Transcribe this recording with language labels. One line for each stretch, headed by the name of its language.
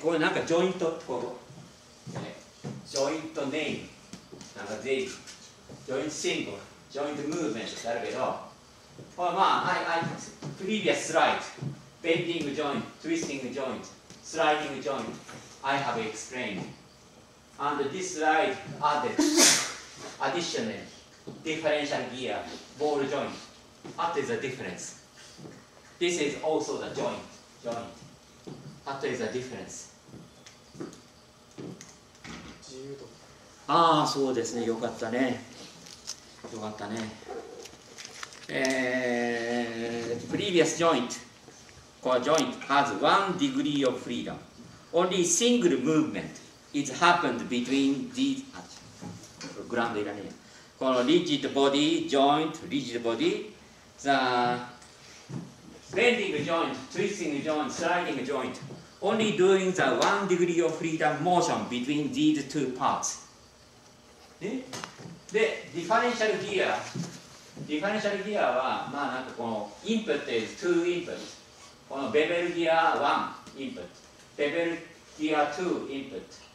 Japanese: これなんかジョイントこう、ジョイントネームなんかぜひ、ジョイントシンボル、ジョイントムーブメントってあるけど、これまあ、プリビアススライド、ベンディングジョイント、トゥイスティングジョイント、スライディングジョイント、
English: I have explained. And this slide added additional differential gear, ball joint. What is the difference? This is also the joint. Joint. What is the difference?
Japanese: ああ、そうですね。よかったね。よかったね。
English: Previous joint, core joint has one degree of freedom. Only single movement is happened between these.
Japanese: グランドいらねえ。
English: この rigid body, joint, rigid body, the bending joint, twisting joint, sliding joint, only doing the one degree of freedom motion between these two parts.
Japanese: で、ディファレンシャルギア、ディファレンシャルギアは、まあなんかこの、インプットです、2インプット。このベベルギア1インプット。ベベルギア2インプット。